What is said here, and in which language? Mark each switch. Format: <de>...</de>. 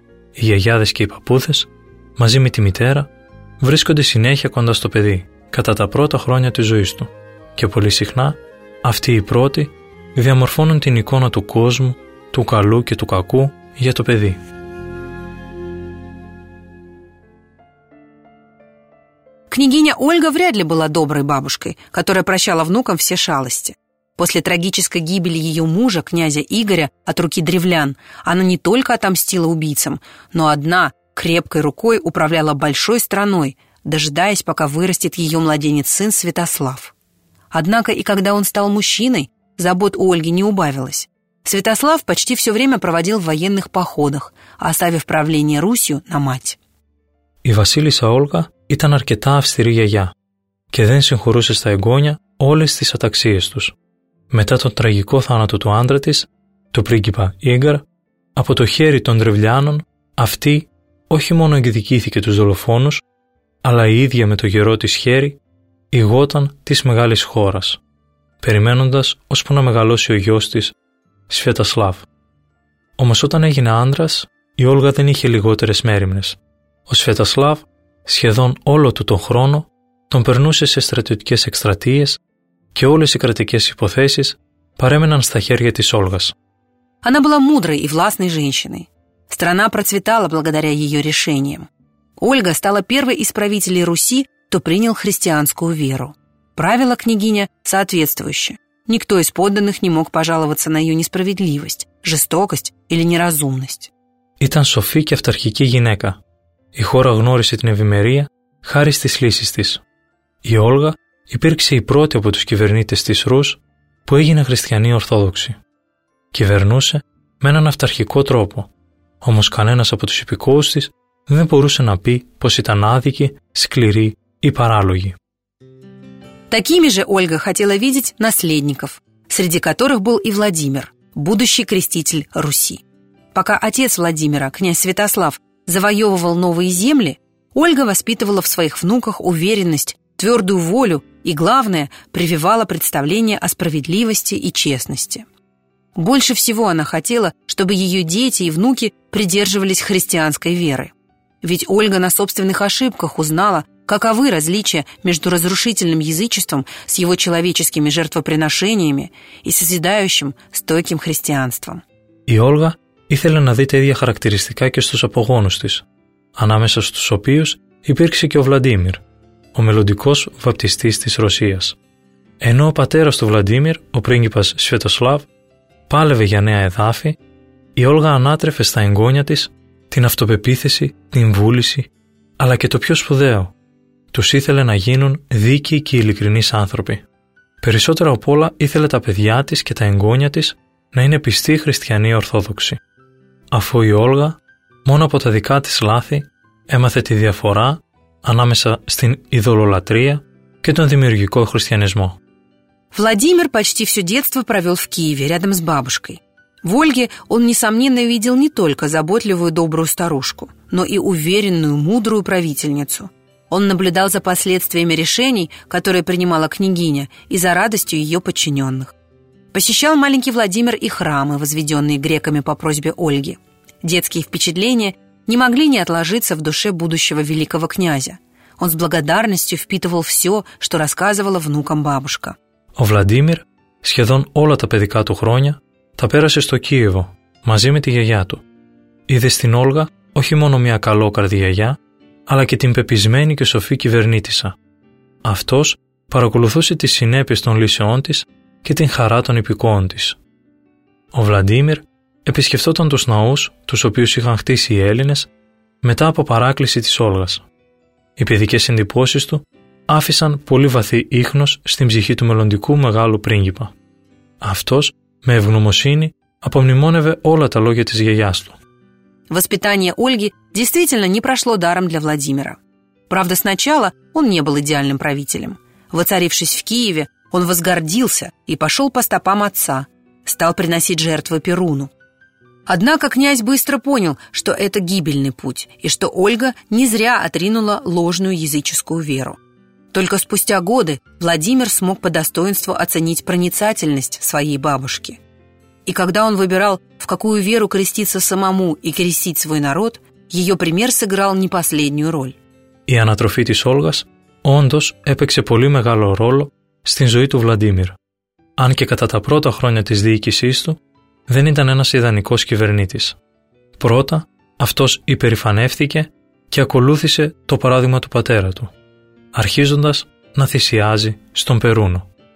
<el>Οι γιαγιάδες και οι παππούδες, μαζί με τη μητέρα, βρίσκονται συνέχεια κοντά στο παιδί, κατά τα πρώτα χρόνια της ζωής του. Και πολύ συχνά, αυτοί οι πρώτοι διαμορφώνουν την εικόνα του κόσμου, του καλού και του κακού για το παιδί.</el> <ru>Княгиня Ольга вряд ли была доброй бабушкой, которая прощала внукам все шалости. После трагической гибели ее мужа, князя Игоря, от руки древлян, она не только отомстила убийцам, но одна, крепкой рукой, управляла большой страной, дожидаясь, пока вырастет ее младенец-сын Святослав. Однако и когда он стал мужчиной, забот у Ольги не убавилось. Святослав почти все время проводил в военных походах, оставив правление Русью на мать.</ru> <el>И Василиса Ольга ήταν αρκετά αυστηρή γιαγιά και δεν συγχωρούσε στα εγγόνια όλες τις αταξίες τους. Μετά τον τραγικό θάνατο του άντρα της, του πρίγκιπα Ίγκαρ, από το χέρι των Τρευλιάνων, αυτή όχι μόνο εκδικήθηκε τους δολοφόνους, αλλά η ίδια με το γερό της χέρι, ηγόταν της μεγάλης χώρας, περιμένοντας ώσπου να μεγαλώσει ο γιος της, Σφιατασλάβ. Όμως όταν έγινε άντρας, η Όλγα δεν είχε λιγότερες μέρημνες. Ο Σφιατασλάβ, σχεδόν όλο του τον χρόνο, τον περνούσε σε στρατιωτικές εκστρατείες, και όλες οι κρατικές υποθέσεις παρέμεναν στα χέρια της Όλγας.</el> <ru>Она была мудрой и властной женщиной. Страна процветала благодаря ее решениям. Ольга стала первой из правителей Руси, кто принял христианскую веру. Правила княгиня соответствующие. Никто из подданных не мог пожаловаться на ее несправедливость, жестокость или неразумность.</ru> <el>Ήταν σοφή και αυταρχική γυναίκα. Η χώρα γνώρισε την ευημερία χάρη στις λύσεις της. Η Όλγα υπήρξε η πρώτη από τους κυβερνήτες της Ρούς που έγινε χριστιανή Ορθόδοξη. Κυβερνούσε με έναν αυταρχικό τρόπο, όμως κανένας από τους υπηκόους της δεν μπορούσε να πει πως ήταν άδικη, σκληρή ή παράλογη.</el> <ru>Такими же Ольга хотела видеть наследников, среди которых был и Владимир, будущий креститель Руси. Пока отец Владимира, князь Святослав, завоевывал новые земли, Ольга воспитывала в своих внуках уверенность, твердую волю и, главное, прививала представление о справедливости и честности. Больше всего она хотела, чтобы ее дети и внуки придерживались христианской веры. Ведь Ольга на собственных ошибках узнала, каковы различия между разрушительным язычеством с его человеческими жертвоприношениями и созидающим, стойким христианством.</ru> <el>Η Όλγα ήθελε να δει τα ίδια χαρακτηριστικά και στους απογόνους της, ανάμεσα στους οποίους υπήρξε και ο Βλαντίμιρ, ο μελλοντικός βαπτιστής της Ρωσίας. Ενώ ο πατέρας του Βλαντίμιρ, ο πρίγκιπας Σβετοσλάβ, πάλευε για νέα εδάφη, η Όλγα ανάτρεφε στα εγγόνια της την αυτοπεποίθηση, την βούληση, αλλά και το πιο σπουδαίο. Τους ήθελε να γίνουν δίκαιοι και ειλικρινείς άνθρωποι. Περισσότερο απ' όλα ήθελε τα παιδιά της και τα εγγόνια της να είναι πιστοί χριστιανοί ορθόδοξοι. Αφού η Όλγα, μόνο από τα δικά της λάθη, έμαθε τη διαφορά ανάμεσα στην ειδωλολατρεία και τον δημιουργικό χριστιανισμό.</el> <ru>Владимир почти все детство провел в Киеве рядом с бабушкой. В Ольге он, несомненно, видел не только заботливую добрую старушку, но и уверенную, мудрую правительницу. Он наблюдал за последствиями решений, которые принимала княгиня, и за радостью ее подчиненных. Посещал маленький Владимир и храмы, возведенные греками по просьбе Ольги. Детские впечатления не могли не отложиться в душе будущего великого князя. Он с благодарностью впитывал все, что рассказывала внукам бабушка.</ru> <el>Ο Βλαντίμιρ σχεδόν όλα τα παιδικά του χρόνια τα πέρασε στο Κίεβο μαζί με τη γιαγιά του. Είδε στην Όλγα όχι μόνο μια καλόκαρδη γιαγιά, αλλά και την πεπισμένη και σοφή κυβερνήτησα. Αυτός παρακολουθούσε τις συνέπειες των λύσεών της και την χαρά των υπηκόων της. Ο Βλαντίμιρ επισκεφτόταν τους ναούς, τους οποίους είχαν χτίσει οι Έλληνες, μετά από παράκληση της Όλγας. Οι παιδικές εντυπώσεις του άφησαν πολύ βαθύ ίχνος στην ψυχή του μελλοντικού μεγάλου πρίγκιπα. Αυτός, με ευγνωμοσύνη, απομνημόνευε όλα τα λόγια της γιαγιάς του.</el> <ru>Воспитание Ольги действительно не прошло даром для Владимира. Правда, сначала он не был идеальным правителем. Воцарившись в Киеве, он возгордился и пошел по стопам отца, стал приносить жертвы Перуну. Однако князь быстро понял, что это гибельный путь и что Ольга не зря отринула ложную языческую веру. Только спустя годы Владимир смог по достоинству оценить проницательность своей бабушки. И когда он выбирал, в какую веру креститься самому и крестить свой народ, ее пример сыграл не последнюю роль.</ru> <el>Η ανατροφή της Όλγας όντως έπαιξε πολύ μεγάλο ρόλο στην ζωή του Βλαντίμιρα. Αν και κατά τα πρώτα χρόνια της διοίκησής του δεν ήταν ένας ιδανικός κυβερνήτης. Πρώτα, αυτός υπερηφανεύθηκε και ακολούθησε το παράδειγμα του πατέρα του, αρχίζοντας να θυσιάζει στον Περούνο.</el>